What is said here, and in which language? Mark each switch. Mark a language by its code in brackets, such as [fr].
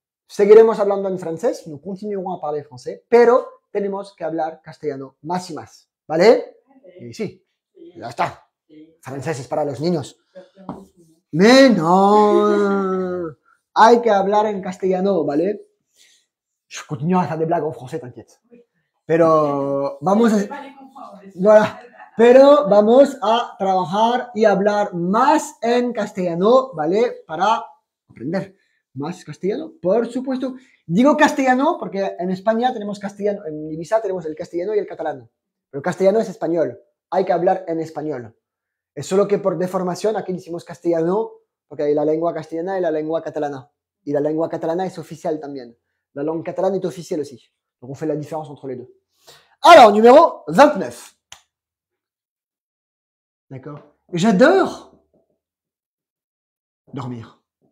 [es] Seguiremos hablando en francés. Nos continuaremos a hablar francés. Pero tenemos que hablar castellano más y más. ¿Vale? Okay. Y sí. Sí. Ya está. Sí. Francés es para los niños. ¡Menos! Hay que hablar en castellano, ¿vale? [fr] Je continuerai à faire des blagues en français, t'inquiète. [es] Pero vamos a... Voilà. Pero vamos a trabajar y hablar más en castellano, ¿vale? Para aprender más castellano, por supuesto. Digo castellano porque en España tenemos castellano, en Ibiza tenemos el castellano y el catalán. Pero castellano es español. Hay que hablar en español. Es solo que por deformación aquí decimos castellano porque hay la lengua castellana y la lengua catalana. Y la lengua catalana es oficial también. [fr] La langue catalane est officielle aussi. Donc, on fait la différence entre les deux. Alors, numéro 29. D'accord. J'adore dormir.